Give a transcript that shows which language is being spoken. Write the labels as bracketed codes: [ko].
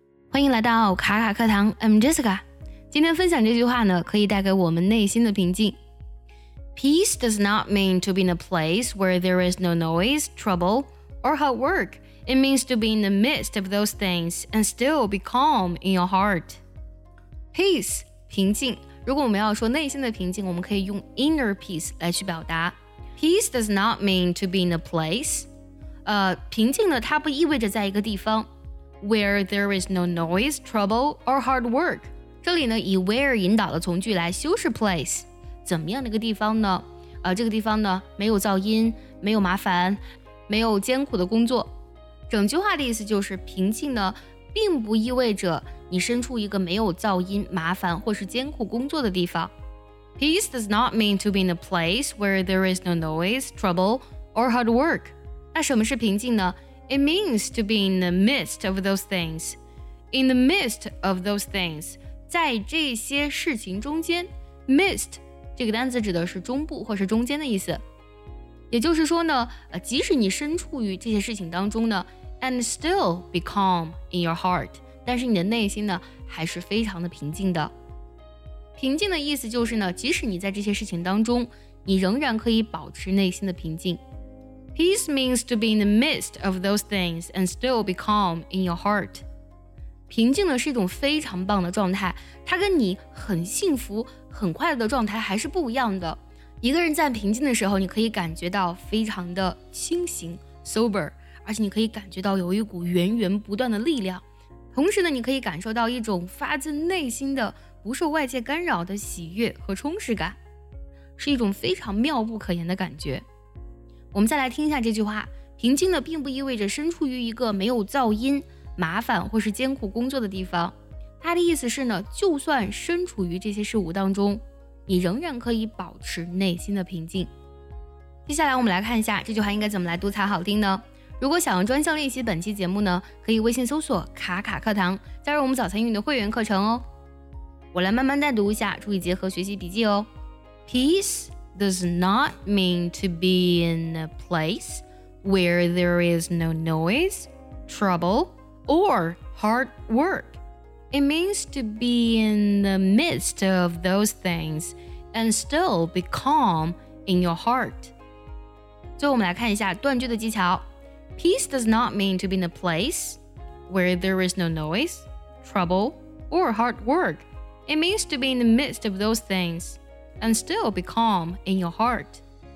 [zh] 欢迎来到卡卡课堂， [en] I'm Jessica。 [zh] 今天分享这句话呢，可以带给我们内心的平静。 [en] Peace does not mean to be in a place where there is no noise, trouble, or hard work. It means to be in the midst of those things and still be calm in your heart. [zh] Peace, 平静。如果我们要说内心的平静，我们可以用 inner peace 来去表达。 [en] Peace does not mean to be in a place. [zh] 平静呢，它不意味着在一个地方。 [en] Where there is no noise, trouble, or hard work. [zh] 这里呢，以 where 引导的从句来修饰 place. 怎么样的一个地方呢？这个地方呢，没有噪音，没有麻烦，没有艰苦的工作。整句话的意思就是，平静呢，并不意味着你身处一个没有噪音、麻烦或是艰苦工作的地方。 [en] Peace does not mean to be in a place where there is no noise, trouble, or hard work. [zh] 那什么是平静呢？ [en] It means to be in the midst of those things. In the midst of those things, [zh] 在这些事情中间 midst 这个单词指的是中部或是中间的意思。也就是说呢，即使你身处于这些事情当中呢， [en] and still be calm in your heart, [zh] 但是你的内心呢，还是非常的平静的。平静的意思就是呢，即使你在这些事情当中，你仍然可以保持内心的平静。 [en] Peace means to be in the midst of those things and still be calm in your heart. [zh] 平静呢是一种非常棒的状态，它跟你很幸福、很快乐的状态还是不一样的。一个人在平静的时候，你可以感觉到非常的清醒 sober， 而且你可以感觉到有一股源源不断的力量。同时呢，你可以感受到一种发自内心的、不受外界干扰的喜悦和充实感，是一种非常妙不可言的感觉。我们再来听一下这句话，平静的并不意味着身处于一个没有噪音、麻烦或是艰苦工作的地方。它的意思是呢，就算身处于这些事物当中，你仍然可以保持内心的平静。接下来我们来看一下这句话应该怎么来读才好听呢？如果想要专项练习本期节目呢，可以微信搜索卡卡课堂，加入我们早餐英语的会员课程哦。我来慢慢带读一下，注意结合学习笔记哦。 [en] Peace does not mean to be in a place where there is no noise, trouble, or hard work. It means to be in the midst of those things and still be calm in your heart. [zh] 最后我们来看一下断句的技巧。 [en] Peace does not mean to be in a place where there is no noise, trouble, or hard work. It means to be in the midst of those things.And still be calm in your heart.